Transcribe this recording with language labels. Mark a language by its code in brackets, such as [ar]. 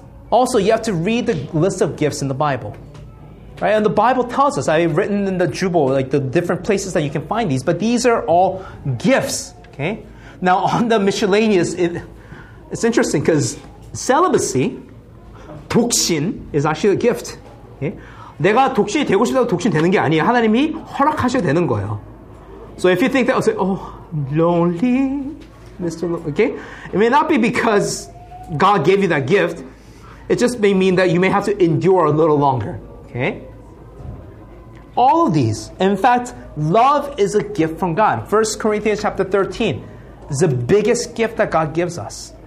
[en] Also, you have to read the list of gifts in the Bible, right? And the Bible tells us. I've written in the Jubal, like the different places that you can find these. But these are all gifts. Okay. Now on the miscellaneous, it's interesting because celibacy, 독신, is actually a gift. [ko] Okay? 내가 독신이 되고 싶다고 독신 되는 게 아니에요. 하나님이 허락하셔야 되는 거예요. [en] So if you think that, I'll say, oh, lonely, Mr. Lonely. Okay? It may not be because God gave you that gift. It just may mean that you may have to endure a little longer. Okay? All of these. In fact, love is a gift from God. 1 Corinthians chapter 13 is the biggest gift that God gives us.